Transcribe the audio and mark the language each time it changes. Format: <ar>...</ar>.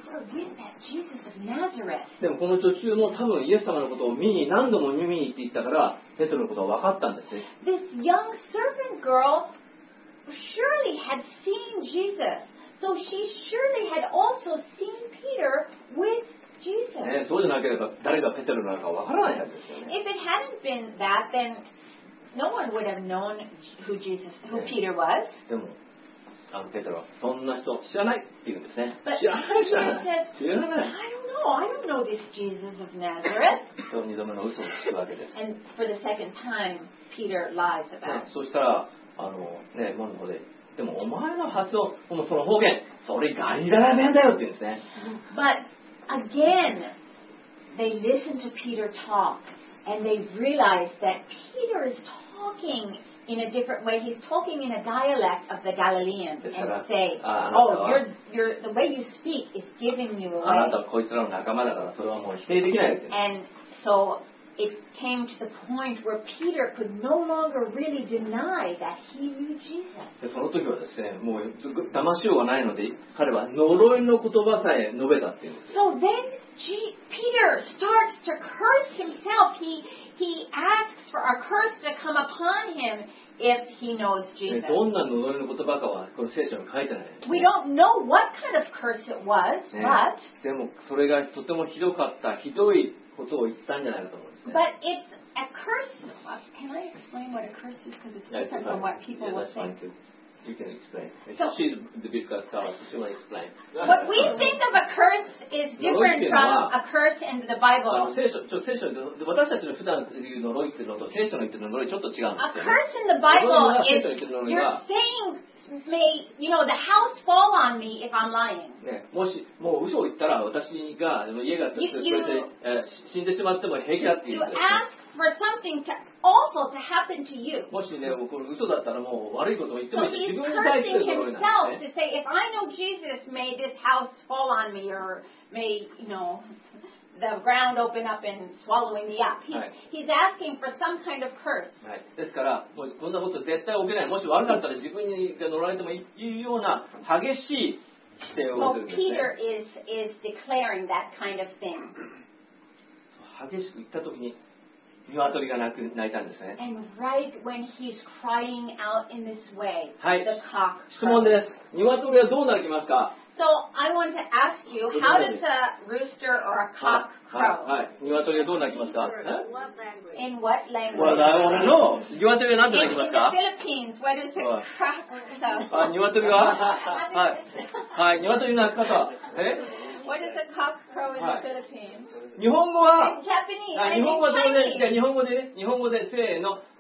<ja>でもこの途中も多分イエス様のことを見に何度も見に行って言ったからペトロのことは分かったんですね。</ja> <en>This young servant girl surely had seen Jesus, so she surely had also seen Peter with Jesus.</en> <ja>ね、そうじゃなければ誰がペトロなのか分からないはずですよね。</ja> <en>If it hadn't been that, then no one would have known who Jesus, who Peter was.</en> <ja>あのペトロはそんな人知らないって言うんですね。知らない。</ja> <en>I don't know. I don't know this Jesus of Nazareth.</en> <ja>二度目の嘘をつくわけです。</ja> <en>And for the second time, Peter lies about.</en> <ja>そしたらあのね門の方ででもお前の発音もその方言それガリラ弁だよって言うんですね。</ja> <en>But again, they listen to Peter talk and they realize that Peter is talking. In a different way, he's talking in a dialect of the Galileans and say, "Oh, you're the way you speak is giving you away." And so it came to the point where Peter could no longer really deny that he knew Jesus. So then Peter starts to curse himself. He asks for a curse to come upon him. If he knows Jesus.</en> <ja>どんな呪いの言葉かはこの聖書に書いてない、ね、</ja> <en>We don't know what kind of curse it was,、ね、but</en> <ja>でもそれがとてもひどかったひどいことを言ったんじゃないかと思うんですね。</ja> <en>But it's a curse. Can I explain what a curse is? Because it's different from what people would think. You can explain. She's the biggest scholar, so she'll explain. What we think of a curse is different from a curse in the Bible.</en> <ja>聖書私たちの普段言う呪いっていうのと聖書の言ってる呪いちょっと違うんですよ、ね。</ja> <en>A curse in the Bible is you're saying may you know the house fall on me if I'm lying.、</en> <ja>ね、もしもう嘘を言ったら私が家が死んでしまっても平気だっていう。</ja> <en>You ask for something to awful to happen to you.</en> <ja>もしね僕これ嘘だったらもう悪いことを言ってもいいし、自分に対する呪いなんですね。</ja> <en>He's cursing himself to say if I know Jesus may this house fall on me or may you know. The ground open up and swallowing me up. He's asking for some kind of curse. Right.</en> <ja>ですから、もうこんなこと絶対起きない。もし悪かったら自分に乗られてもいいような激しい否定をするんですね。</ja> <en>So Peter is declaring that kind of thing.</en> <ja>激しく言ったときに鶏が鳴いたんですね。</ja> <en>And right when he's crying out in this way, the cock crows.</en> <ja>質問です。鶏はどう鳴きますか？</ja> <en>So I want to ask you, how does a rooster or a cock crow?</en> <ja>はい、鶏はどう鳴きますか?</ja> <en>In what language? Well, I want to know.</en> <ja>鶏は何で鳴きますか?</ja> <en>In the Philippines, what is a cock crow?</en> <ja>鶏は?はい、はい、鶏の鳴き方。え?</ja> <en>What is a cock crow in the Philippines?</en> <ja>日本語は?</ja> <en>In Japanese.</en> <ja>日本語で、じゃあ日本語で、日本語で、せーの。</ja>